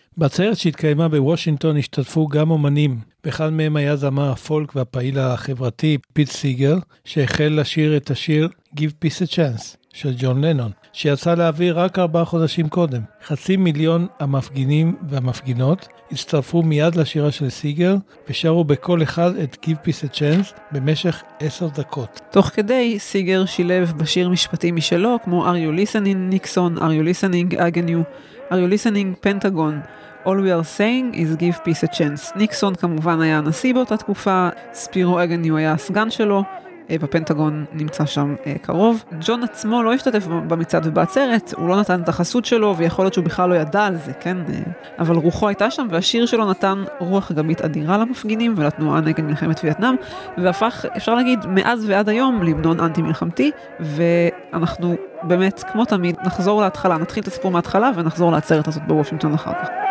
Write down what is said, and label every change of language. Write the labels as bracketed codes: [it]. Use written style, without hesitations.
[he] בצעדה שהתקיימה בוושינגטון השתתפו גם אומנים, ואחד מהם היה זמר הפולק והפעיל החברתי פיט סיגר, שהחל לשיר את השיר Give Peace a Chance של ג'ון לנון, שיצא לאוויר רק 4 חודשים קודם. חצי מיליון המפגינים והמפגינות הצטרפו מיד לשירה של סיגר ושרו בכל אחד את Give Peace a Chance במשך 10 דקות. תוך כדי, סיגר שילב בשיר משפטים משלו, כמו [en] Are You Listening, Nixon, Are You Listening, Agnew, Are You Listening, Pentagon, All we are saying is give peace a chance. [he] ניקסון כמובן היה הנשיא באותה תקופה, ספירו אגני הוא היה הסגן שלו, בפנטגון נמצא שם קרוב. ג'ון עצמו לא השתתף במצעד ובעצרת, הוא לא נתן את החסות שלו, ויכול להיות שהוא בכלל לא ידע על זה, כן? אבל רוחו הייתה שם, והשיר שלו נתן רוח גמית אדירה למפגינים, ולתנועה נגד מלחמת וייטנאם, והפך, אפשר להגיד, מאז ועד היום, למנון אנטי-מלחמתי, ואנחנו באמת, כמו תמיד, נחזור להתחלה, נתחיל את הסיפור מההתחלה, ונחזור לעצרת הזאת בוושינגטון אחר כך.